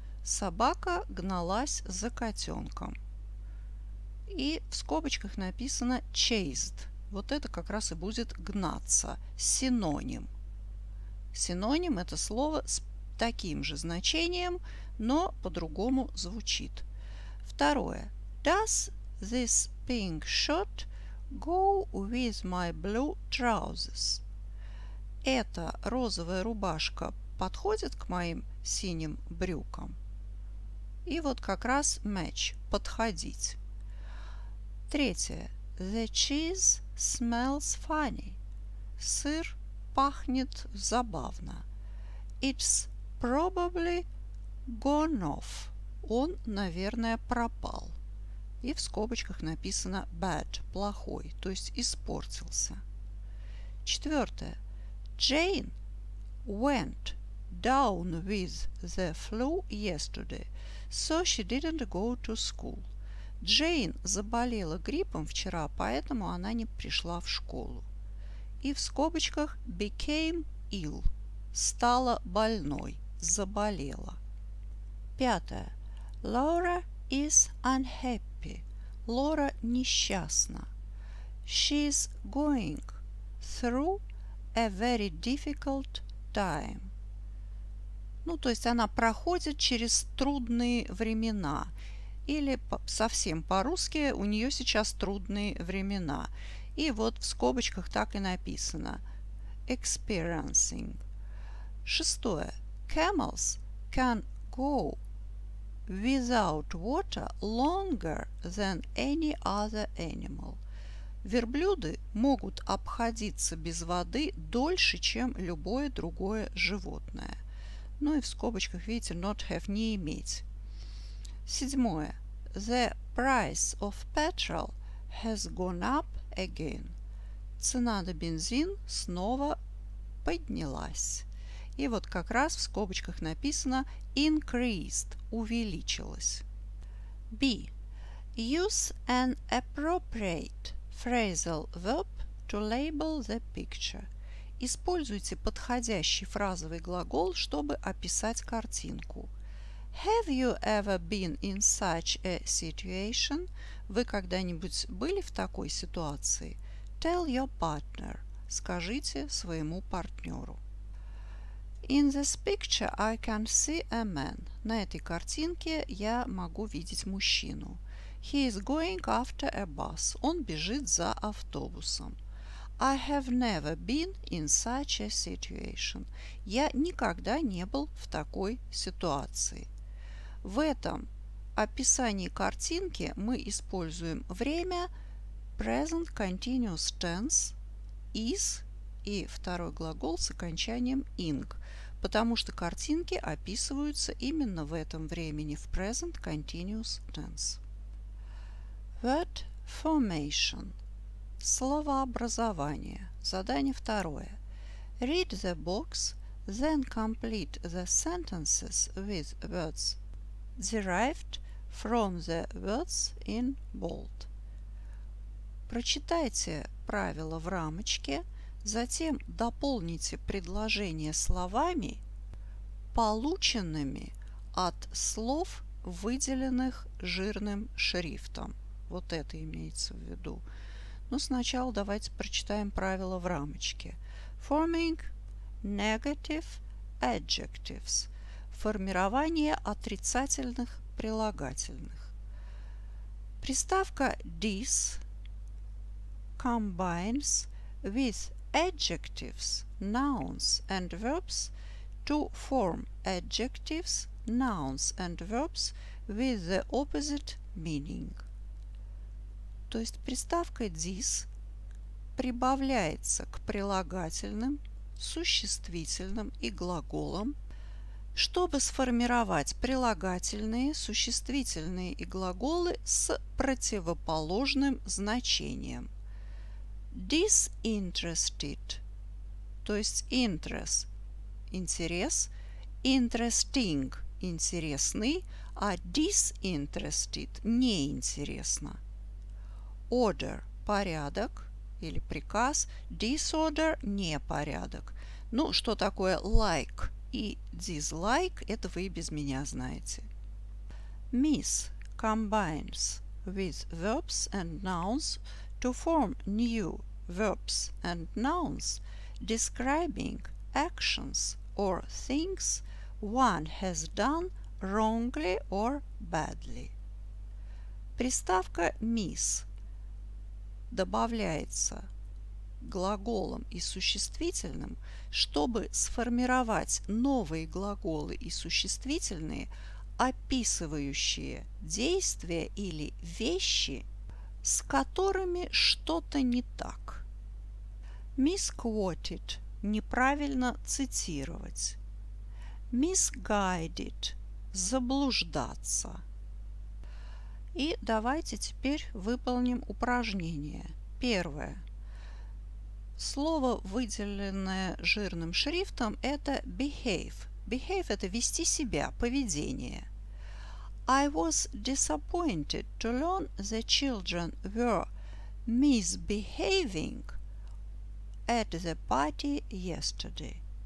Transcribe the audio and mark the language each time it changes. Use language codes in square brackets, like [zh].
[ru] Собака гналась за котенком. И в скобочках написано chased. Вот это как раз и будет гнаться. Синоним. Синоним – это слово с таким же значением, но по-другому звучит. Второе. [en] Does this pink shirt go with my blue trousers? [ru] Эта розовая рубашка подходит к моим синим брюкам? И вот как раз match – подходить. Третье. [en] The cheese smells funny. [ru] Сыр пахнет забавно. [en] It's probably gone off. [ru] Он, наверное, пропал. И в скобочках написано bad – плохой, то есть испортился. Четвертое. [en] Jane went down with the flu yesterday, so she didn't go to school. [ru] Джейн заболела гриппом вчера, поэтому она не пришла в школу. И в скобочках became ill – стала больной, заболела. Пятое. [en] Laura is unhappy. [ru] Лора несчастна. [en] She's going through a very difficult time. [ru] Ну, то есть она проходит через трудные времена. Или совсем по-русски, у нее сейчас трудные времена. И вот в скобочках так и написано. Experiencing. Шестое. [en] Camels can go without water longer than any other animal. [ru] Верблюды могут обходиться без воды дольше, чем любое другое животное. Ну и в скобочках, видите, not have – не иметь. Седьмое. [en] The price of petrol has gone up again. [ru] Цена на бензин снова поднялась. И вот как раз в скобочках написано increased – увеличилась. [en] B. Use an appropriate phrasal verb to label the picture. [ru] Используйте подходящий фразовый глагол, чтобы описать картинку. [en] Have you ever been in such a situation? [ru] Вы когда-нибудь были в такой ситуации? [en] Tell your partner. [ru] Скажите своему партнеру. [en] In this picture I can see a man. [ru] На этой картинке я могу видеть мужчину. [en] He is going after a bus. [ru] Он бежит за автобусом. [en] I have never been in such a situation. [ru] Я никогда не был в такой ситуации. В этом описании картинки мы используем время present continuous tense is и второй глагол с окончанием ing, потому что картинки описываются именно в этом времени в present continuous tense. [en] Word formation. Словообразование. [ru] Задание второе. [en] Read the box, then complete the sentences with words derived from the words in bold. [ru] Прочитайте правила в рамочке, затем дополните предложение словами, полученными от слов, выделенных жирным шрифтом. Вот это имеется в виду. Но сначала давайте прочитаем правила в рамочке. [en] Forming negative adjectives. [ru] Формирование отрицательных прилагательных. [en] Приставка this combines with adjectives, nouns and verbs to form adjectives, nouns and verbs with the opposite meaning. [ru] То есть приставка this прибавляется к прилагательным, существительным и глаголам, чтобы сформировать прилагательные, существительные и глаголы с противоположным значением. Disinterested, то есть interest, интерес, interesting, интересный, а disinterested, неинтересно. Order, порядок или приказ, disorder, непорядок. Ну, что такое like и dislike, это вы и без меня знаете. [en] Miss combines with verbs and nouns to form new verbs and nouns describing actions or things one has done wrongly or badly. [ru] Приставка miss добавляется глаголом и существительным, чтобы сформировать новые глаголы и существительные, описывающие действия или вещи, с которыми что-то не так. Misquoted – неправильно цитировать. Misguided – заблуждаться. И давайте теперь выполним упражнение. Первое. Слово, выделенное жирным шрифтом, это behave. Behave – это вести себя, поведение. [en] I was disappointed to learn the children were misbehaving at the party yesterday.